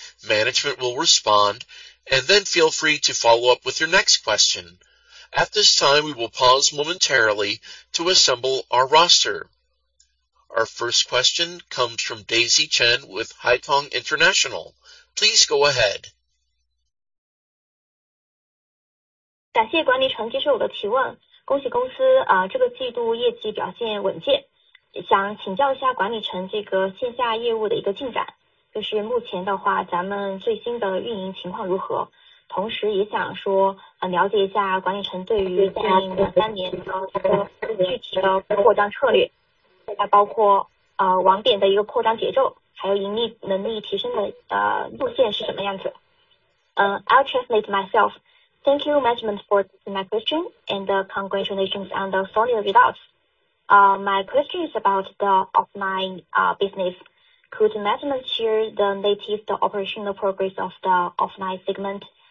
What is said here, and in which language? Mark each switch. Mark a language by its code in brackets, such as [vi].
[en] Management will respond, and then feel free to follow up with your next question. At this time, we will pause momentarily to assemble our roster. Our first question comes from Daisy Chen with Haitong International. Please go ahead. [zh] 感谢管理层接受我的提问，恭喜公司啊，这个季度业绩表现稳健。想请教一下管理层这个线下业务的一个进展，就是目前的话，咱们最新的运营情况如何？同时也想说啊，了解一下管理层对于近两三年的具体的扩张策略，还包括网点的一个扩张节奏。还有盈利能力提升的路线是什么样子？ [en] I'll translate myself. Thank you, management, for my question and congratulations on the solid results. My question is about the offline business. Could management share the latest operational progress of the offline segment?